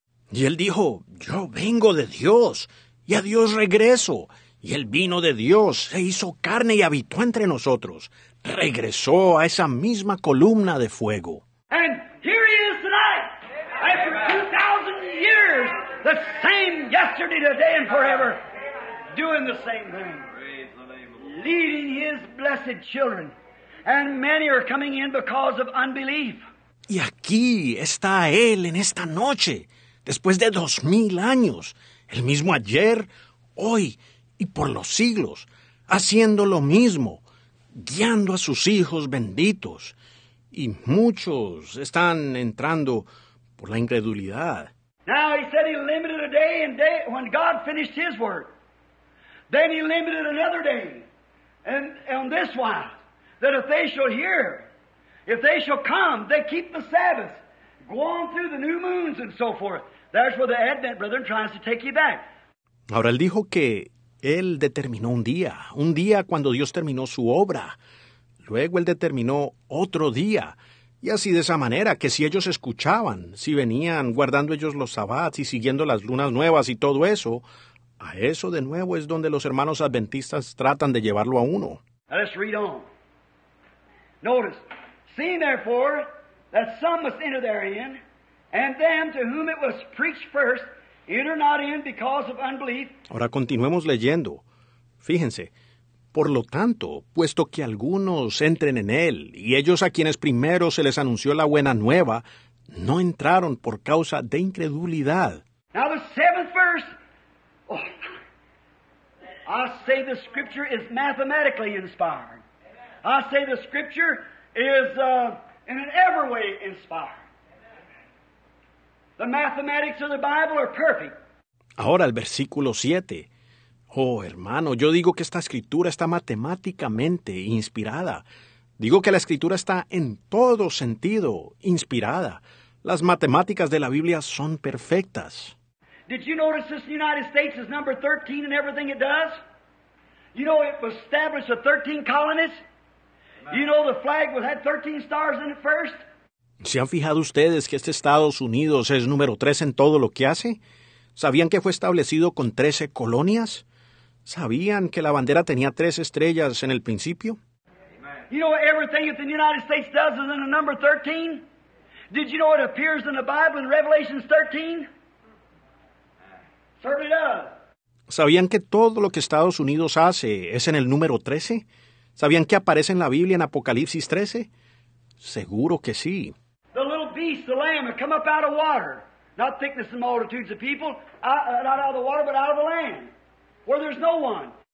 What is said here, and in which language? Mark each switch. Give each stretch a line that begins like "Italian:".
Spanish: Y él dijo, yo vengo de Dios, y a Dios regreso. Y el vino de Dios se hizo carne y habitó entre nosotros. Regresó a esa misma columna de fuego.
English: And here he is tonight. After 2,000 years, the same yesterday, today, and forever, doing the same thing. Leading his blessed children. And many are coming in because of unbelief.
Spanish: Y aquí está él en esta noche, después de 2,000 años, el mismo ayer, hoy, y por los siglos, haciendo lo mismo, guiando a sus hijos benditos. Y muchos están entrando por la incredulidad.
English: Now he said he limited a day, and day when God finished his work. Then he limited another day. And on this wise, that if they shall hear, if they shall come, they keep the Sabbath, go on through the new moons and so forth. That's where the Advent brethren tries to take you back.
Spanish: Ahora él dijo que él determinó un día cuando Dios terminó su obra. Luego él determinó otro día. Y así de esa manera, que si ellos escuchaban, si venían guardando ellos los sabbats y siguiendo las lunas nuevas y todo eso, a eso de nuevo es donde los hermanos adventistas tratan de llevarlo a uno.
English: Let's read on. Notice, seeing therefore that some must enter therein, and them to whom it was preached first, enter not in because of unbelief.
Spanish: Ahora continuemos leyendo. Fíjense. Por lo tanto, puesto que algunos entren en él, y ellos a quienes primero se les anunció la buena nueva, no entraron por causa de incredulidad.
English: Now the seventh verse. Oh, I say the scripture is mathematically inspired. I say the scripture is in an every way inspired. The mathematics of the Bible are perfect.
Spanish: Ahora el versículo 7. Oh, hermano, yo digo que esta escritura está matemáticamente inspirada. Digo que la escritura está en todo sentido inspirada. Las matemáticas de la Biblia son perfectas.
English: Did you notice this United States is number 13 in everything it does? You know it was established with 13 colonies? You know the flag was had 13 stars in it first?
Spanish: ¿Se han fijado ustedes que este Estados Unidos es número 3 en todo lo que hace? ¿Sabían que fue establecido con 13 colonias? ¿Sabían que la bandera tenía 3 estrellas en el principio?
English: You know everything that the United States does is in the number 13? Did you know it appears in the Bible in Revelation 13? Certainly does.
Spanish: ¿Sabían que todo lo que Estados Unidos hace es en el número 13? ¿Sabían que aparece en la Biblia en Apocalipsis 13? Seguro que sí.
English: The little beast, the lamb, had come up out of water. Not thickness and multitudes of people, not out of the water, but out of the land, where there's no one.